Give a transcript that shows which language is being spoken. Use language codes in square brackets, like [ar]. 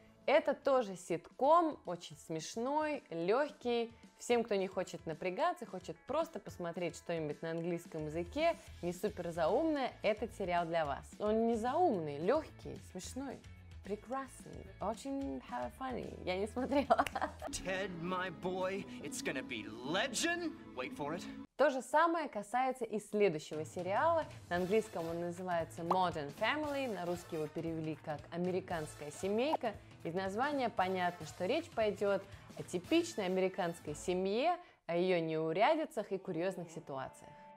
[ru] Это тоже ситком, очень смешной, легкий. Всем, кто не хочет напрягаться, хочет просто посмотреть что-нибудь на английском языке, не супер заумное, этот сериал для вас. Он не заумный, легкий, смешной, прекрасный, очень funny. Я не смотрела. [en] Ted, my boy, it's gonna be legend. Wait for it. [ru] То же самое касается и следующего сериала. На английском он называется Modern Family, на русский его перевели как «Американская семейка». Из названия понятно, что речь пойдет о типичной американской семье, о ее неурядицах и курьезных ситуациях.